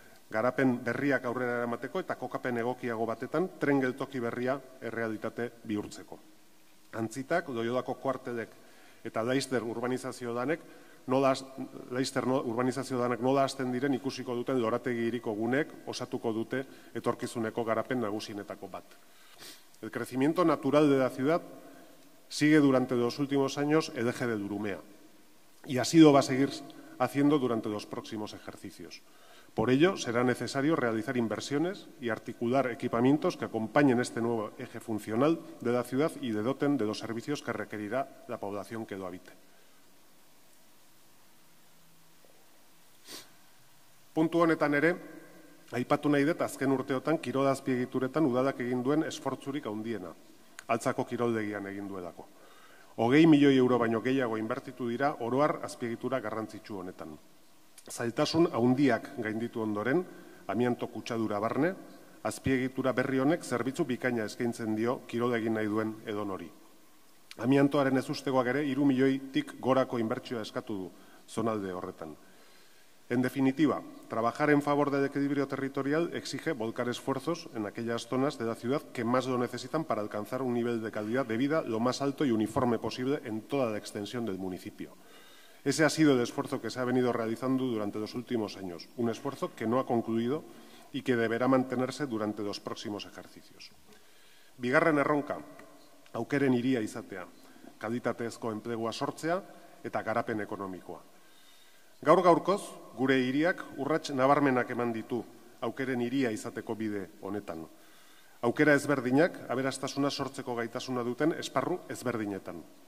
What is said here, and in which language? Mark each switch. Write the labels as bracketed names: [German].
[Basque] Garapen berriak aurrera eramateko eta kokapen egokiago batetan tren geltoki berria errealitate bihurtzeko. Antzitak, Loiolako kuartelek eta Leicester urbanizazio danek nola hasten diren ikusiko duten lorategi iriko gunek osatuko dute etorkizuneko garapen nagusienetako bat. [Spanish] El crecimiento natural de la ciudad sigue durante los últimos años el eje del Urumea y así lo va a seguir haciendo durante los próximos ejercicios. Por ello, será necesario realizar inversiones y articular equipamientos que acompañen este nuevo eje funcional de la ciudad y le doten de los servicios que requerirá la población que lo habite. [Basque] Puntu honetan ere, aipatu nahi dut azken urteotan kirol azpiegituretan udalak egin duen esfortzurik handiena, Altzako kiroldegian egin duelako. 20 milioi euro baino gehiago inbertitu dira oro har azpiegitura garrantzitsu honetan. Zailtasun handiak gainditu ondoren, amianto kutsadura barne, azpiegitura berri honek zerbitzu bikaina eskaintzen dio kirolegin nahi duen edonori. Amiantoaren ezustegoak ere 3 milioitik gorako inbertsioa eskatu du zonalde horretan. [Spanish] En definitiva, trabajar en favor del equilibrio territorial exige volcar esfuerzos en aquellas zonas de la ciudad que más lo necesitan para alcanzar un nivel de calidad de vida lo más alto y uniforme posible en toda la extensión del municipio. Ese ha sido el esfuerzo que se ha venido realizando durante los últimos años, un esfuerzo que no ha concluido y que deberá mantenerse durante los próximos ejercicios. [Basque] Bigarren erronka, aukeren hiria izatea, kalitatezko enplegua sortzea eta garapen ekonomikoa. Gaur gaurkoz, gure hiriak urrats nabarmenak eman ditu aukeren hiria izateko bide honetan. Aukera ezberdinak, aberastasuna sortzeko gaitasuna duten esparru ezberdinetan.